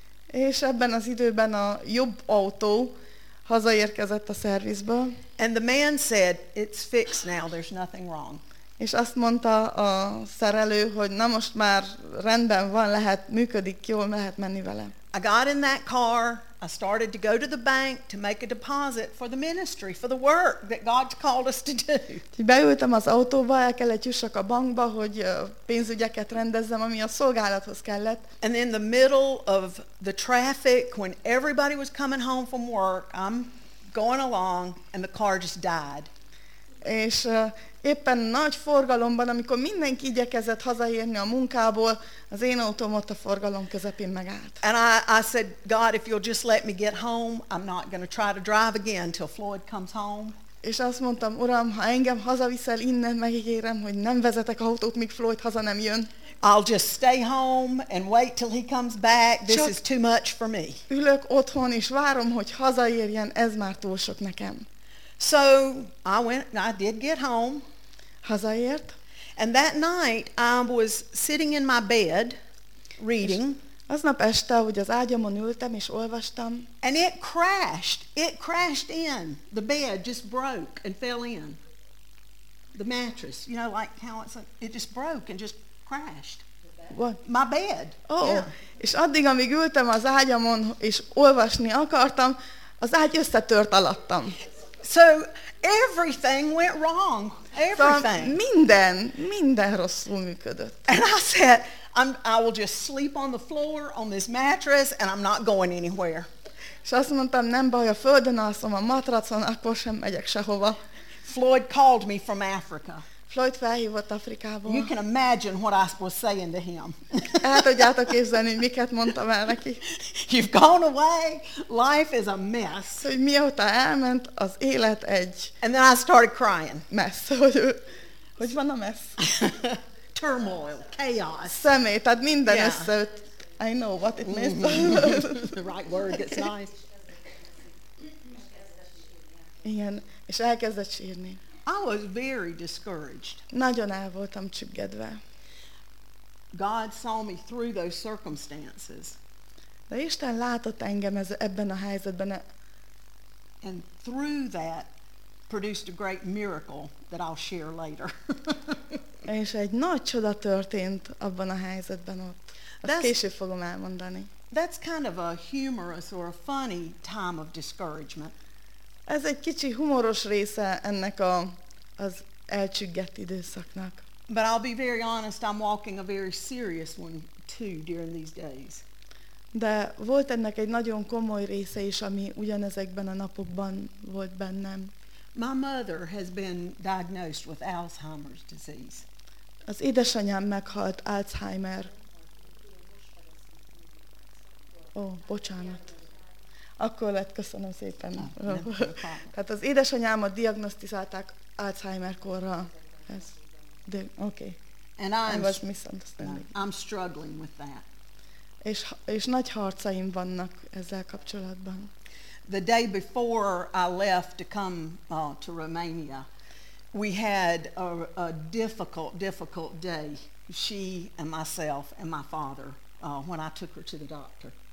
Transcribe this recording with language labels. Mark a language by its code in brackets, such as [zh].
[hu] És ebben az időben a jobb autó hazaérkezett a szervizbe. [en] And the man said, it's fixed now, there's nothing wrong. [hu] És azt mondta a szerelő, hogy na most már rendben van, lehet, működik, jól lehet menni vele. [en] I got in that car, I started to go to the bank to make a deposit for the ministry, for the work that God's called us to do. [hu] Beültem az autóba, el kellett jussak a bankba, hogy pénzügyeket rendezzem, ami a szolgálathoz kellett. [en] And in the middle of the traffic, when everybody was coming home from work, I'm going along, and the car just died. [hu] És éppen nagy forgalomban, amikor mindenki igyekezett hazaérni a munkából, az én autóm ott a forgalom közepén megállt. [en] And I said, God, if you'll just let me get home, I'm not going to try to drive again till Floyd comes home. [hu] És azt mondtam, Uram, ha engem hazaviszel innen, megígérem, hogy nem vezetek autót, míg Floyd haza nem jön. [en] I'll just stay home and wait till he comes back. This is too much for me. [hu] Ülök otthon és várom, hogy hazaérjen, ez már túl sok nekem. [en] So I went, I did get home. [hu] Hazaért. [en] And that night I was sitting in my bed reading. [hu] Aznap este, hogy az ágyamon ültem és olvastam. [en] And it crashed. It crashed in. The bed just broke and fell in. The mattress, you know, like how it's like, it just broke and just crashed. What? My bed. Oh. [hu] Yeah. És addig, amíg ültem az ágyamon és olvasni akartam, az ágy összetört alattam. [en] So everything went wrong. Everything. [hu] Szóval minden rosszul működött. [en] And I said, I will just sleep on the floor on this mattress and I'm not going anywhere. [hu] És azt mondtam, nem baj, a földön alszom a matracon, akkor sem megyek sehova. [en] Floyd called me from Africa. [hu] Floyd felhívott Afrikából. [en] You can imagine what I was saying to him. [hu] El tudjátok képzelni, miket mondtam el neki. [en] You've gone away. Life is a mess. [hu] Hogy mióta elment, az élet egy. [en] And then I started crying. [hu] Mess. Hogy van a mess? [en] Turmoil, chaos. [hu] Szemét, tehát minden összeült. [en] I know what it means. The right word gets nice. [hu] Igen, és elkezdett sírni. [en] I was very discouraged. [hu] Nagyon el voltam csüggedve. [en] God saw me through those circumstances. [hu] De Isten látott engem ebben a helyzetben. [en] And through that produced a great miracle that I'll share later. [hu] És egy nagy csoda történt abban a helyzetben ott. Azt később fogom elmondani. [en] That's kind of a humorous or a funny time of discouragement. [hu] Ez egy kicsi humoros része ennek az elcsüggett időszaknak. [en] But I'll be very honest, I'm walking a very serious one too during these days. [hu] De volt ennek egy nagyon komoly része is, ami ugyanezekben a napokban volt bennem. [en] My mother has been diagnosed with Alzheimer's disease. [hu] Az édesanyám meghalt Alzheimer. Ó, bocsánat. Akkor lett, köszönöm szépen. Tehát az édesanyámat diagnosztizálták Alzheimer-korral. Ez. De, okay. [en] And I was misunderstanding. I'm struggling with that. [hu] És nagy harcaim vannak ezzel kapcsolatban. [en] The day before I left to come to Romania, we had a difficult day. She and myself and my father when I took her to the doctor.